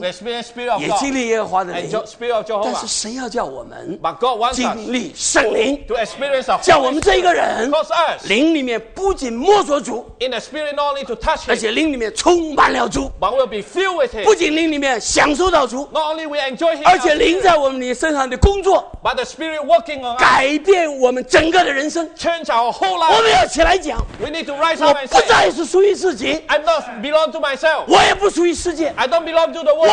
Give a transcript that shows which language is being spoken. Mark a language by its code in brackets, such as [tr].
[en] We experience Spirit of God. [zh] 也经历耶和华的灵 [en] And Spirit of Jehovah. [zh] 但是神要叫我们 [en] But God wants us. [zh] 经历圣灵 [en] To experience the Holy [zh] 叫我们这一个人 [en] Cause us. [zh] 灵里面不仅摸着主 [en] In the Spirit not only to touch him. [zh] 而且灵里面充满了主 [en] But we'll be filled with him. [zh] 不仅灵里面享受到主 [en] Not only we enjoy him. [zh] 而且灵在我们身上的工作 [en] But the Spirit working on us. [zh] 改变我们整个的人生 [en] Change our whole life. [zh] 我们要起来讲 [en] We need to rise up and say [zh] 不再是属于自己 [en] I'm not belong to myself. [zh] 我也不属于世界 [en] I don't belong to the world.